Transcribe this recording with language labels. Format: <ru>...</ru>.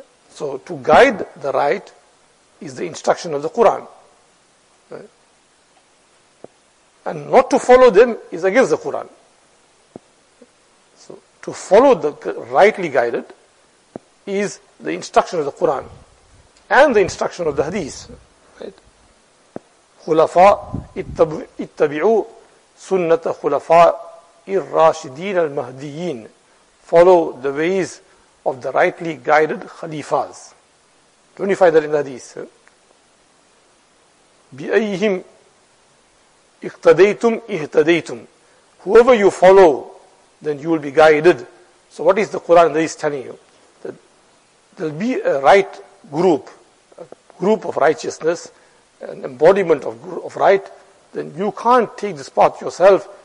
<en>So to guide the right is the instruction of the Quran. And not to follow them is against the Quran. So to follow the rightly guided is the instruction of the Quran and the instruction of the Hadith.</en> <ar>خلفاء اتبعوا سنة خلفاء الراشدين المهديين.</ar> <en>Follow the ways of the rightly guided Khalifas. Don't you find that in the Hadith?</en> <ar>بأيهم اقتديتم اهتديتم.</ar> <en>Whoever you follow, then you will be guided. So what is the Quran that is telling you? That there will be a right group, a group of righteousness, an embodiment of right, then you can't take this path yourself.</en>